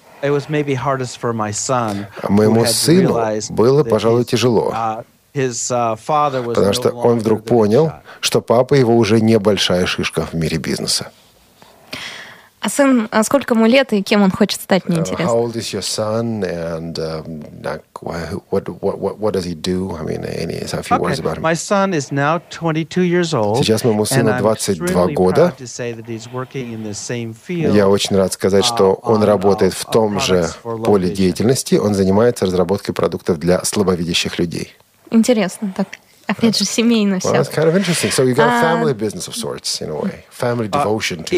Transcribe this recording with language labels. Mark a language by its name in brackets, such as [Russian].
[English] Моему сыну было, пожалуй, тяжело, потому что он вдруг понял, что папа его уже небольшая шишка в мире бизнеса. А сын, а сколько ему лет и кем он хочет стать, мне интересно. How old is your son and what does he do? I mean, any a few words about him. My son is now 22 years old. [Russian] Сейчас моему сыну 22 года. Я очень рад сказать, что он работает в том же поле деятельности. Он занимается разработкой продуктов для слабовидящих людей. Интересно, так. Опять же, семейно все. [English] Well, that's kind of interesting. So you got a family business of sorts, in a way. Family devotion to this.